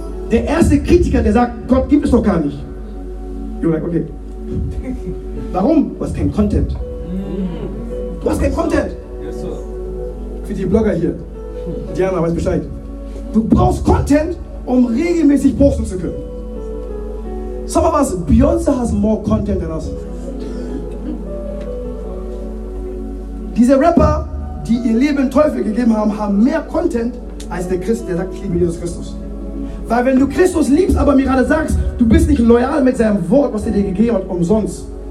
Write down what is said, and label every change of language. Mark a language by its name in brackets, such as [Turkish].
[German] Der erste Kritiker, der sagt, Gott gibt es doch gar nicht. [English] You're like, okay. [German] Warum? Du hast kein Content. Du hast kein Content. Für die Blogger hier. Diana weiß Bescheid. Du brauchst Content, um regelmäßig posten zu können. Sag mal was, [English] Beyoncé has more Content than us. [German] Diese Rapper, die ihr Leben Teufel gegeben haben, haben mehr Content als der Christ, der sagt, ich liebe Jesus Christus. Weil wenn du Christus liebst, aber mir gerade sagst, du bist nicht loyal mit seinem Wort, was er dir gegeben hat, umsonst.